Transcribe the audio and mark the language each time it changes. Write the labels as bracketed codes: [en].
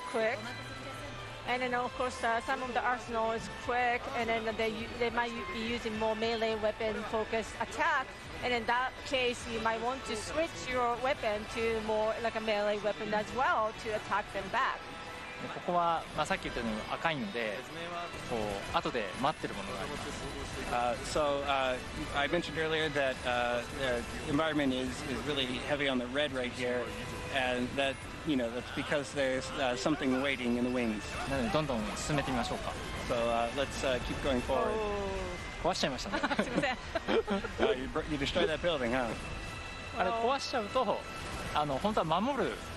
[en] Quick. And then of course some of the arsenal is quick, and then they might be using more melee weapon focused attack. And in that case, you might want to switch your weapon to more like a melee weapon as well to attack them back. [ja] ここはまあさっき言ったように赤いので、こう後で待ってるものがあります。 [en] I mentioned earlier that the environment is really heavy on the red right here, and that you know that's because there's something waiting in the wings. [ja] なのでどんどん進めてみましょうか。 [en] So let's keep going forward. [ja] 壊しちゃいましたね。すみません。 [en] You destroyed that building, huh? [ja] あれ壊しちゃうと、あの本当は守る。